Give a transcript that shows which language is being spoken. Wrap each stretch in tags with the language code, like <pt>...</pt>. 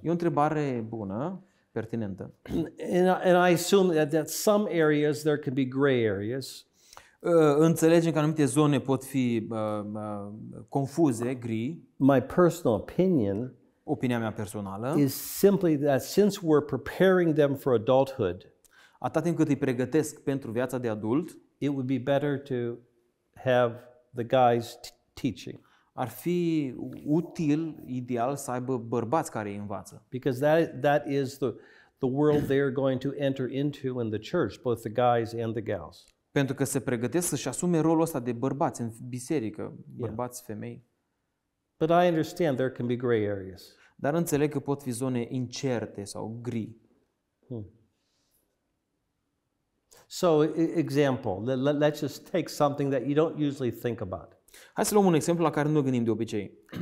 <ro>E o întrebare bună, pertinentă.</ro> <en>And I assume that some areas there can be gray areas.</en> <ro>Înțelegem că anumite zone pot fi confuze, gri.</ro> <en>My personal opinion.</en> <ro>Opinia mea personală.</ro> <en>Is simply that since we're preparing them for adulthood.</en> <ro>Atât timp cât îi pregătesc pentru viața de adult,</ro> <en>it would be better to have the guy's teaching.</en> <ro>Ar fi util, ideal să aibă bărbați care îi învață.</ro> <en>Because that is the world they are going to enter into in the church, both the guys and the gals.</en> <ro>Pentru că se pregătesc să-și asume rolul ăsta de bărbați în biserică, bărbați, femei.</ro> <en>But I understand there can be gray areas.</en> <ro>Dar înțeleg că pot fi zone incerte sau gri.</ro> <en>So, example, let's just take something that you don't usually think about.</en> <ro>Hai să luăm un exemplu la care nu gândim de obicei.</ro>